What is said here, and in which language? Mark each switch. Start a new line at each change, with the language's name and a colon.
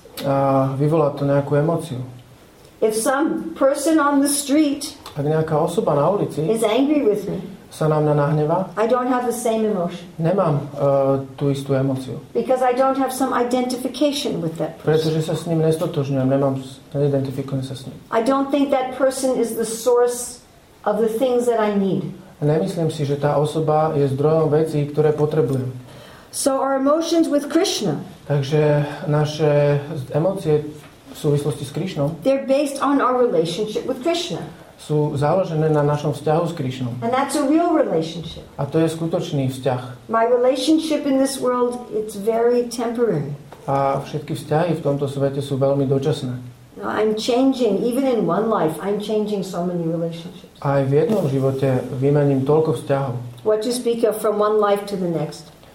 Slovak: A vyvolá to nejakú emóciu.
English: If some person on the street,
Slovak: ak nejaká osoba na ulici
English: is angry with me,
Slovak: sa na mňa nahnevá,
English: I don't have the same emotion.
Slovak: Nemám tú istú emóciu.
English: Because I don't have some identification with that person.
Slovak: Pretože sa s ním nestotožňujem, neidentifikujem sa s ním.
English: I don't think that person is the source of the things that I need.
Slovak: Nemyslím si, že tá osoba je zdrojom vecí, ktoré potrebujem.
English: So our emotions with Krishna.
Slovak: Takže naše emócie v súvislosti s Krišnom.
English: They're based on our relationship with Krishna.
Slovak: Sú založené na našom vzťahu s Krišnom.
English: And that's a real relationship.
Slovak: A to je skutočný vzťah.
English: My relationship in this world, it's very temporary.
Slovak: A všetky vzťahy v tomto svete sú veľmi dočasné.
English: I'm changing, even in one life, I'm changing so many relationships.
Slovak: Aj v jednom živote vymením toľko vzťahov.
English: What you speak of from one life to the next.